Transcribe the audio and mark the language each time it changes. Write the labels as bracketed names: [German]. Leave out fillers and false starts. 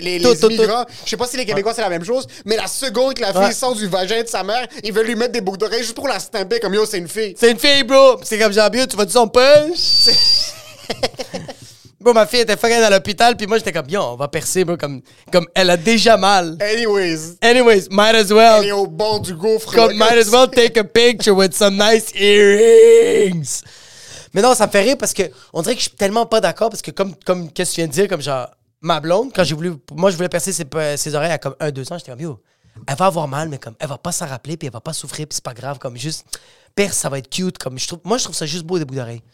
[French] les immigrants, je sais pas si les Québécois c'est la même chose, mais la seconde que la fille sent du vagin de sa mère, ils veulent lui mettre des boucles d'oreilles juste pour la stamper comme, yo, c'est une fille. C'est une fille, bro. C'est comme Jean-Bio, tu vas-tu son push? Bon, ma fille était fucking à l'hôpital, puis moi j'étais comme, yo, on va percer, bro, comme elle a déjà mal. [English] Anyways, might as well. [French] Elle est au bord du gouffre. [English] Comme, might as well take a picture with some nice earrings. [French] Mais non, ça me fait rire parce que on dirait que je suis tellement pas d'accord parce que, comme qu'est-ce que tu viens de dire, comme genre, ma blonde, quand j'ai voulu, moi je voulais percer ses oreilles à comme 1-2 ans, j'étais comme, yo, elle va avoir mal, mais comme, elle va pas s'en rappeler, puis elle va pas souffrir, puis c'est pas grave, comme juste, perce, ça va être cute, comme, je trouve ça juste beau des bouts d'oreilles.